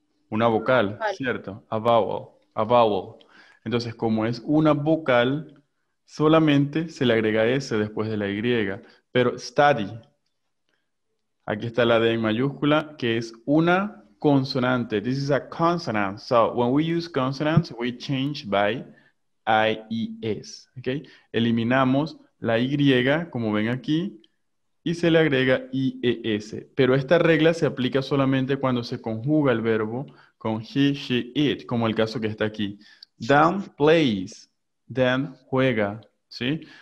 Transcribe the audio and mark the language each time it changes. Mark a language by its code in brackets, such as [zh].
[es] Una vocal, ¿cierto? [en] A vowel. [es] Entonces, como es una vocal, solamente se le agrega S después de la Y. Pero study. Aquí está la D en mayúscula, que es una consonante. [en] This is a consonant. So, when we use consonants, we change by IES. Okay? [es] Eliminamos la Y, como ven aquí, y se le agrega IES. Pero esta regla se aplica solamente cuando se conjuga el verbo con he, she, it, como el caso que está aquí. [en] Dan plays. [es] Dan juega. ¿Sí?